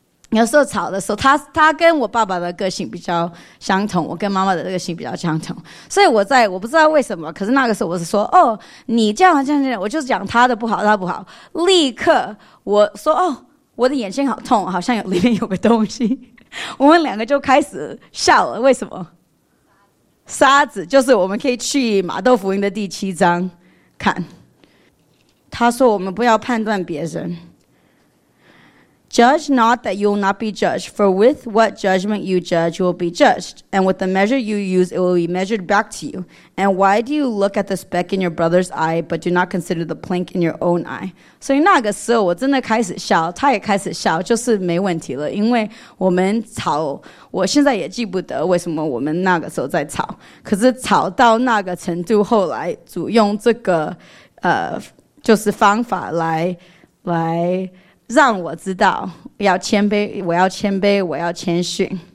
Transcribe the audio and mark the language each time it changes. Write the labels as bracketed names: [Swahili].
[Chinese] 有时候吵的时候，他跟我爸爸的个性比较相同，我跟妈妈的个性比较相同，所以我不知道为什么，可是那个时候我是说，哦，你这样这样这样，我就讲他的不好，他不好，立刻我说，哦，我的眼睛好痛，好像有里面有个东西，我们两个就开始笑了。为什么？沙子，就是我们可以去马窦福音的第七章看，他说我们不要判断别人。 [English] Judge not that you will not be judged, for with what judgment you judge, you will be judged, and with the measure you use, it will be measured back to you. And why do you look at the speck in your brother's eye, but do not consider the plank in your own eye? [Chinese] 所以那个时候我真的开始笑，他也开始笑，就是没问题了，因为我们吵，我现在也记不得为什么我们那个时候在吵，可是吵到那个程度，后来主用这个就是方法来让我知道要谦卑，我要谦卑，我要谦逊。